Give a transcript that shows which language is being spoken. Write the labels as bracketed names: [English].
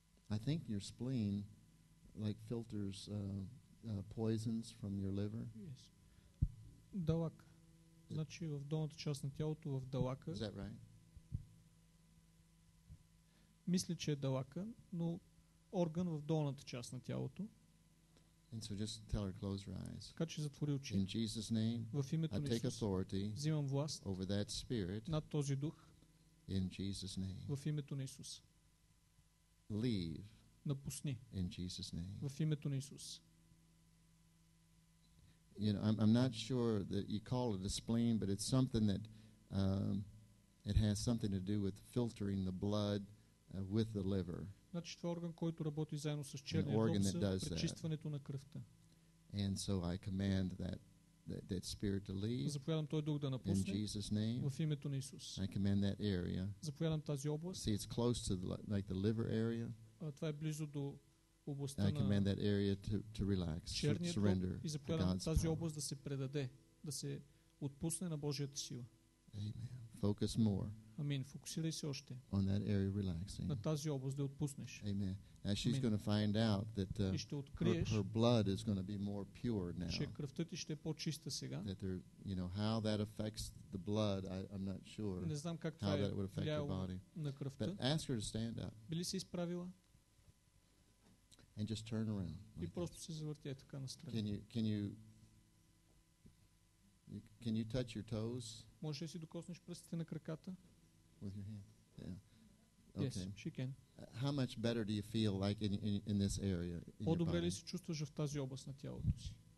[English] I think your spleen like filters poisons from your liver. Yes. [Bulgarian] Далак. Значи в долната част на тялото в далака. [English] Is that right? [Bulgarian] Мисля, че е далака, но орган в долната част на тялото. [English] And so just tell her close her eyes. [Bulgarian] Така че затвори очи. [English] In Jesus name. [Bulgarian] В името на Исус. [English] I take authority. [Bulgarian] Взимам власт. [English] Over that spirit. [Bulgarian] Над този дух. [English] In Jesus name. [Bulgarian] В името на Исус. [English] Leave. [Bulgarian] Напусни. [English] In Jesus name. [Bulgarian] В името на Исус. [English] You know, I'm not sure that you call it a spleen, but it's something that it has something to do with filtering the blood with the liver. [Bulgarian] Значи това орган, който работи заедно с черния дух за пречистването на кръвта. [English] And so I command that spirit to leave. [Bulgarian] Заповядам той дух да напусне. [English] In Jesus name. [Bulgarian] В името на Исус. [English] I command that area. [Bulgarian] Заповядам тази област. [English] See, it's close to the liver area. [Bulgarian] Това е близо до областта на. [English] I command that area to relax. [Bulgarian] Черния [English] surrender. [Bulgarian] И заповядам тази област да се предаде, да се отпусне на Божията сила. [English] Amen. Focus more. [Bulgarian] Амин. Фокусирай се още. [English] On that area relaxing. [Bulgarian] На тази област да отпуснеш. [English] Amen. Now she's going to find out that her blood is going to be more pure now. [Bulgarian] Че кръвта ти ще е по-чиста сега. [English] That there, you know, how that affects the blood, I'm not sure. [Bulgarian] Не знам как това влияло на кръвта. [English] But ask her to stand up. [Bulgarian] Били се изправила? [English] And just turn around. [Bulgarian] И просто се завъртя така настрани. [English] Can you touch your toes? [Bulgarian] Можеш ли си докоснеш пръстите на краката? [English] With your hand. Yeah. Okay. Yes, she can. How much better do you feel like in this area? [Bulgarian] По-добре ли се чувстваш в тази област на тялото си?